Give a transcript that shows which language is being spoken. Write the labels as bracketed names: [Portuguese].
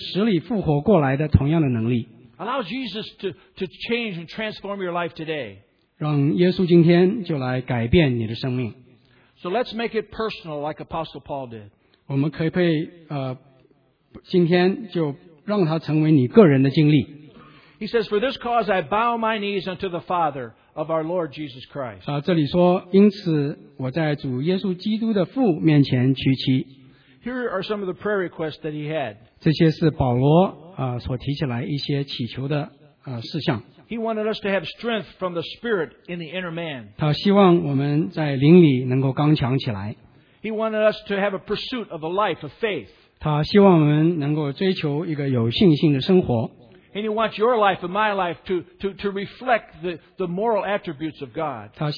[Chinese] 我们有像当基督在世上从死里复活过来的同样的能力。 [English] Allow Jesus to change and transform your life today. [Chinese] 让耶稣今天就来改变你的生命。 [English] So let's make it personal like Apostle Paul did. [Chinese] 今天就让他成为你个人的经历。 [English] He says, For this cause I bow my knees unto the Father of our Lord Jesus Christ. [Chinese] 这里说，因此我在主耶稣基督的父面前屈膝。 [English] Here are some of the prayer requests that he had. [Chinese] 这些是保罗所提起来一些祈求的事项。 [English] He wanted us to have strength from the Spirit in the inner man. [Chinese] 他希望我们在灵里能够刚强起来。 [English] He wanted us to have a pursuit of a life of faith. [Chinese] 他希望我们能够追求一个有信心的生活。 [English] And He wants your life and my life to reflect the moral attributes of God.